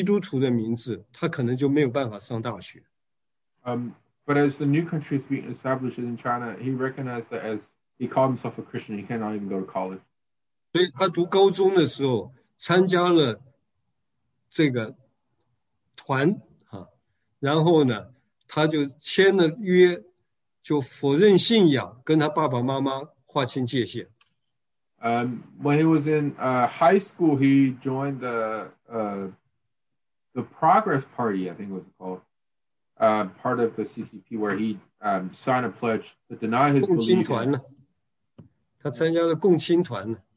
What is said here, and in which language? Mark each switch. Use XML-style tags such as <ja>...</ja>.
<zh>但是后来新中国建立了以后，他发现，如果他背着基督徒的名字，他可能就没有办法上大学。</zh> <en>But as the new country is being established in China, he recognized that as he called himself a Christian, he cannot even go to college.</en> <zh>所以他读高中的时候参加了这个团，然后呢，他就签了约，就否认信仰，跟他爸爸妈妈划清界限。</zh> <en>When he was in high school, he joined the Progress Party, I think it was called, part of the CCP, where he signed a pledge to deny his</en> <zh>belief.共青团呢？他参加了共青团。</zh>